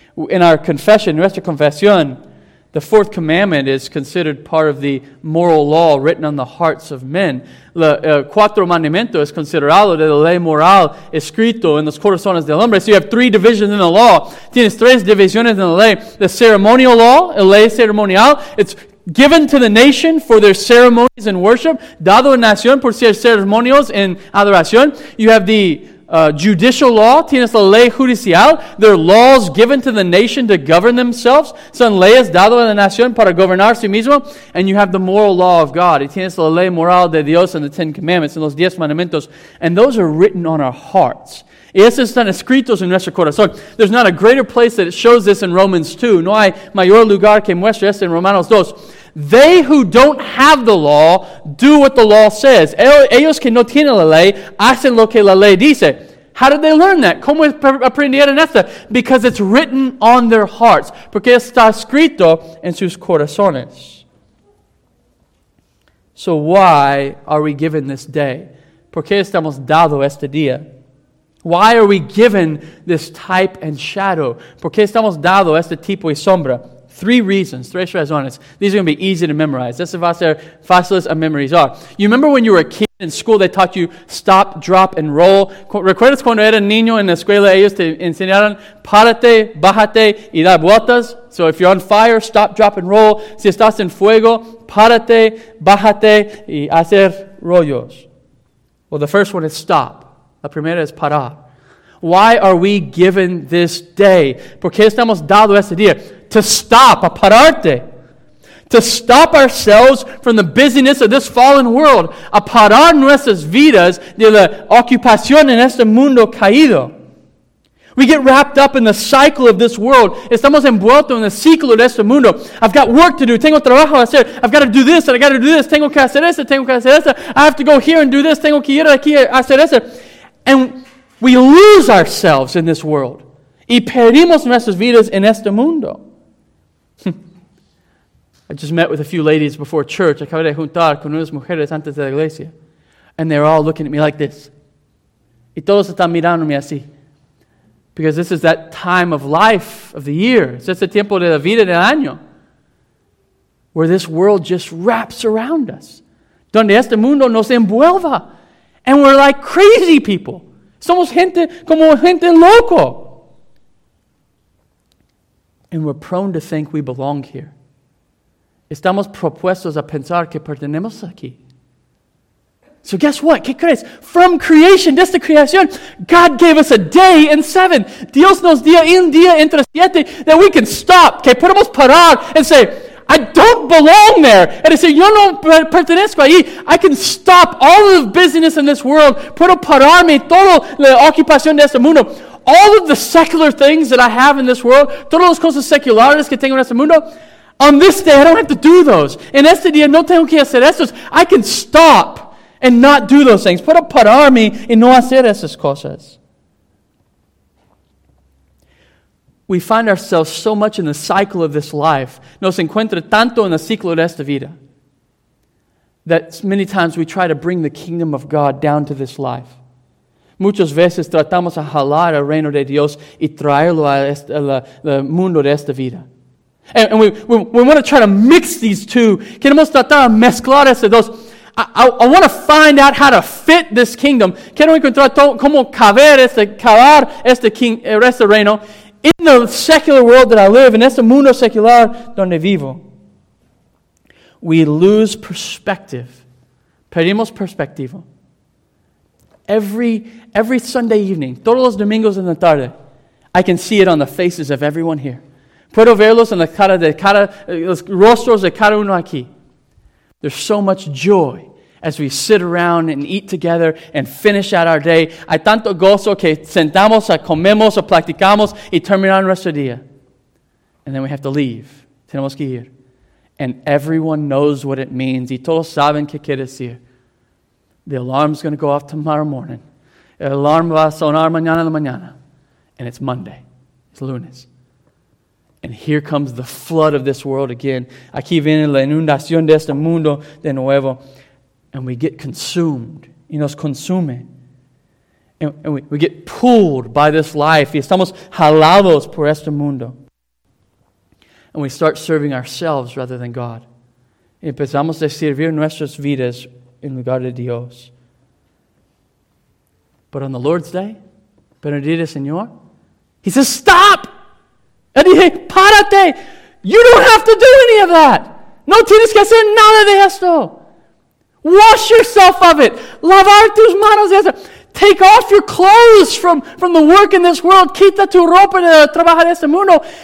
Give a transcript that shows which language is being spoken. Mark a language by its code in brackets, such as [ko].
[en] In our confession, [es] nuestra confesión, [en] the fourth commandment is considered part of the moral law written on the hearts of men. [es] Cuatro mandamientos es considerado de la ley moral escrito en los corazones del hombre. [en] So you have three divisions in the law. [es] Tienes tres divisiones en la ley. [en] The ceremonial law, [es] la ley ceremonial, [en] it's given to the nation for their ceremonies and worship. [es] Dado a nación por ser ceremonios en adoración. [en] You have the judicial law, [es] tienes la ley judicial, [en] there are laws given to the nation to govern themselves, [es] son leyes dado a la nación para gobernar sí mismo, [en] and you have the moral law of God, [es] y tienes la ley moral de Dios [en] and the Ten Commandments, and [es] los diez mandamientos, [en] and those are written on our hearts. [es] Y esos están escritos en nuestro corazón. [en] There's not a greater place that shows this in Romans 2. [es] No hay mayor lugar que muestra esto en Romanos 2. [en] They who don't have the law do what the law says. [es] Ellos que no tienen la ley hacen lo que la ley dice. [en] How did they learn that? [es] ¿Cómo aprendieron esto? [en] Because it's written on their hearts. [es] Porque está escrito en sus corazones. [en] So why are we given this day? [es] ¿Por qué estamos dado este día? [en] Why are we given this type and shadow? [es] ¿Por qué estamos dado este tipo y sombra? [en] Three reasons, [es] tres razones. [en] These are going to be easy to memorize. This [es] va a ser fáciles a memorizar. [en] You remember when you were a kid in school, they taught you stop, drop, and roll? [es] ¿Recuerdas cuando era niño en la escuela, ellos te enseñaron párate, bájate, y dar vueltas? [en] So if you're on fire, stop, drop, and roll. [es] Si estás en fuego, párate, bájate, y hacer rollos. [en] Well, the first one is stop. [es] La primera es parar. [en] Why are we given this day? [es] Porque estamos dado este día. [en] To stop, [es] a pararte. [en] To stop ourselves from the busyness of this fallen world. [es] A parar nuestras vidas de la ocupación en este mundo caído. [en] We get wrapped up in the cycle of this world. [es] Estamos envueltos en el ciclo de este mundo. [en] I've got work to do. [es] Tengo trabajo a hacer. [en] I've got to do this and I've got to do this. [es] Tengo que hacer eso. [en] Tengo que hacer eso. I have to go here and do this. [es] Tengo que ir aquí a hacer eso. [en] And we lose ourselves in this world. [es] Y perdimos nuestras vidas en este mundo. [en] I just met with a few ladies before church. [es] Acabé de juntar con unas mujeres antes de la iglesia. [en] And they're all looking at me like this. [es] Y todos están mirándome así. [en] Because this is that time of life, of the year. [es] Es ese tiempo de la vida del año. [en] Where this world just wraps around us. [es] Donde este mundo nos envuelva. [en] And we're like crazy people. [es] Somos gente como gente loco. [en] And we're prone to think we belong here. [es] Estamos propuestos a pensar que pertenemos aquí. [en] So guess what? [es] ¿Qué crees? [en] From creation, desde creación, God gave us a day in seven. [es] Dios nos dio un día entre siete [en] that we can stop. [es] Que podemos parar [en] and say, I don't belong there. And I say, [es] yo no pertenezco ahí. [en] I can stop all of the busyness in this world. [es] Puedo pararme toda la ocupación de este mundo. [en] All of the secular things that I have in this world, [es] todas las cosas seculares que tengo en este mundo, [en] on this day, I don't have to do those. [es] En este día, no tengo que hacer esos. [en] I can stop and not do those things. [es] Puedo pararme y no hacer esas cosas. [en] We find ourselves so much in the cycle of this life, [es] nos encuentra tanto en el ciclo de esta vida, [en] that many times we try to bring the kingdom of God down to this life. [es] Muchas veces tratamos a jalar el reino de Dios y traerlo al mundo de esta vida. [en] And we want to try to mix these two. [es] Queremos tratar de mezclar esos dos. [en] I want to find out how to fit this kingdom. [es] Quiero encontrar cómo caber este king, este reino [en] in the secular world that I live, [es] en este mundo secular donde vivo. [en] We lose perspective. [es] Perdimos perspectiva. [en] Every Sunday evening, [es] todos los domingos en la tarde, [en] I can see it on the faces of everyone here. [es] Puedo verlos en la cara de cada, los rostros de cada uno aquí. [en] There's so much joy as we sit around and eat together and finish out our day. [es] Hay tanto gozo que sentamos, comemos, platicamos y terminamos nuestro día. [en] And then we have to leave. [es] Tenemos que ir. [en] And everyone knows what it means. [es] Y todos saben qué quiere decir. [en] The alarm's going to go off tomorrow morning. [es] El alarm va a sonar mañana en la mañana. [en] And it's Monday. It's lunes. And here comes the flood of this world again. [es] Aquí viene la inundación de este mundo de nuevo. [en] And we get consumed. [es] Y nos consume. [en] And we get pulled by this life. [es] Y estamos jalados por este mundo. [en] And we start serving ourselves rather than God. [es] Y empezamos a servir nuestras vidas en lugar de Dios. [en] But on the Lord's Day, [es] Benedito Señor, [en] he says, stop! And he says, [es] párate! [en] You don't have to do any of that! [es] No tienes que hacer nada de esto! [en] Wash yourself of it! [es] Lavar tus manos de esto! [en] Take off your clothes from the work in this world! [es] Quita tu ropa de trabajo de este mundo!